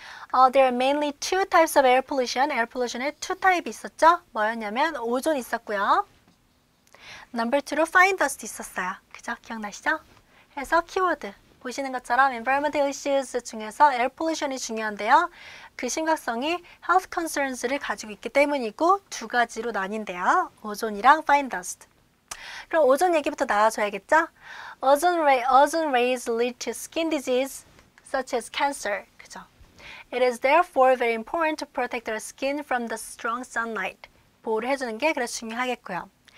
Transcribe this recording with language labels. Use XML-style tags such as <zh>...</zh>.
<en>There are mainly two types of air pollution. Air pollution의 two type</en> <ko>있었죠? 뭐였냐면 오존 있었고요. Number two로 fine dust 있었어요. 그죠? 기억나시죠? 해서 키워드 보시는 것처럼 environmental issues 중에서 air pollution이 중요한데요. 그 심각성이 health concerns를 가지고 있기 때문이고 두 가지로 나뉜대요. 오존이랑 fine dust. 그럼 오존 얘기부터 나와줘야겠죠?</ko> <en>Ozone rays lead to skin disease such as cancer. It is therefore very important to protect our skin from the strong sunlight.</en> <ko>보호를 해주는 게 그래서 중요하겠고요.</ko>